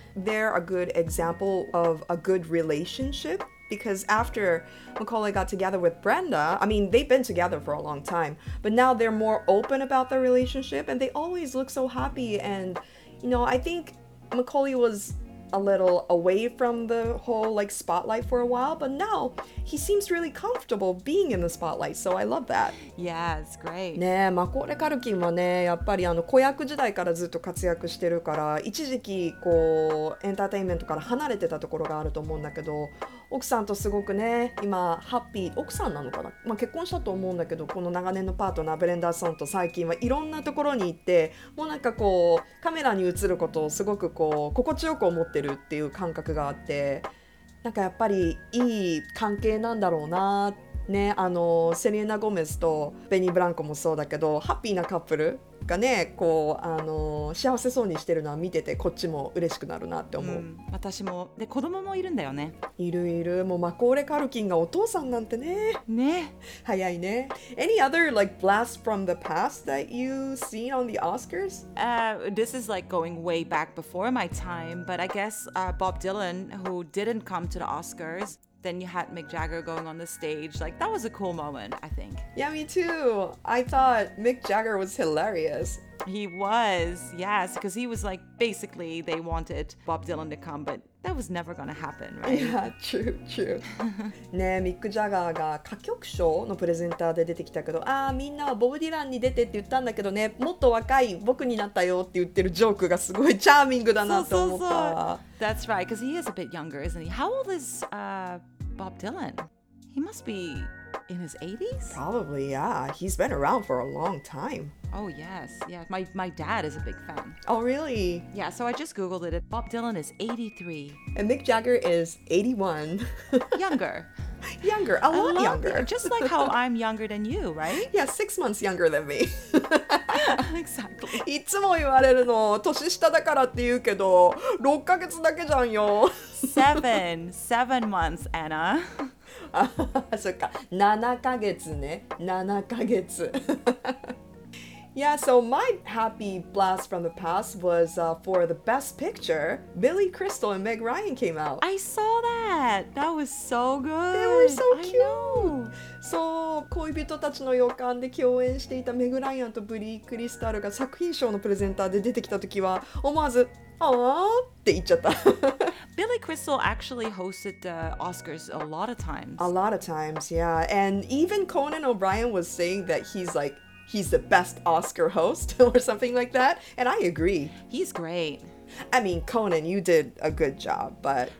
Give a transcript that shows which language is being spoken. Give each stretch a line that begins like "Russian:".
English: They're a good example of a good relationshipBecause after Macaulay got together with Brenda, I mean, they've been together for a long time, but now they're more open about their relationship and they always look so happy. And, you know, I think Macaulay was a little away from the whole like spotlight for a while, but now he seems really comfortable being in the spotlight. So I love that. Yeah, it's great.
Japanese: ね、Macaulay Culkin はね、やっぱりあの子役時代からずっと活躍してるから、一時期こうエンターテインメントから離れてたところがあると思うんだけど、奥さんとすごくね今ハッピー、奥さんなのかな、まあ、結婚したと思うんだけど、この長年のパートナーブレンダーソンと最近はいろんなところに行って、もうなんかこうカメラに映ることをすごくこう心地よく思ってるっていう感覚があって、なんかやっぱりいい関係なんだろうなね。あのセリーナ・ゴメスとベニー・ブランコもそうだけど、ハッピーなカップルがね、こうあの幸せそうにしてるのは見ててこっちも嬉しくなるなって思う、うん、私もで子供もいるんだよね。いるいる。もうマコーレ・カルキンがお父さんなんてね。ね、早いね。
English: Any other like blast from the past that you seen on the Oscars? This is like going way back before my time, but I guess、Bob Dylan, who didn't come to the Oscars, then you had Mick Jagger going on the stage. Like, that was a cool moment, I think. Yeah, me too. I thought Mick Jagger was hilarious. He was, yes, because he was like, basically, they wanted Bob Dylan to come, but that was never going to happen, right? Yeah, true, true. ね、Mick Jagger が歌曲賞のプレゼンターで出てきたけど、ああ、みんなはボブ・ディランに出てって言ったんだけどね、もっと若い僕になったよって言ってるジョークがすごいチャーミングだなと思った。そうそうそう。 That's right, because he is a bit younger, isn't he? How old is、Bob Dylan? He must be in his 80s? Probably, yeah. He's been around for a long time. Oh, yes. Yeah, my dad is a big fan. Oh, really? Yeah, so I just Googled it. Bob Dylan is 83. And Mick Jagger is 81. Younger. Younger. A lot younger. Just like how I'm younger than you, right? Yeah, 6 months younger than me. Exactly.
Japanese: いつも言われるの、年下だからって言うけど、6ヶ月だけじゃんよ。
English: Seven months, Anna.
Japanese: あ、そっか。7ヶ月ね。7ヶ月。
English: Yeah, so my happy blast from the past was、for the best picture, Billy Crystal and Meg Ryan came out. I saw that. That was so good. They were so cute. I know.
Japanese: So, 恋人たちの予感で共演していたメグ・ライアンとブリー・クリスタルが作品賞のプレゼンターで出てきたときは、思わず、あーって言っちゃった。
English: Billy Crystal actually hosted the Oscars a lot of times. A lot of times, yeah. And even Conan O'Brien was saying that he's like,He's the best Oscar host or something like that. And I agree. He's great. I mean, Conan, you did a good job, but...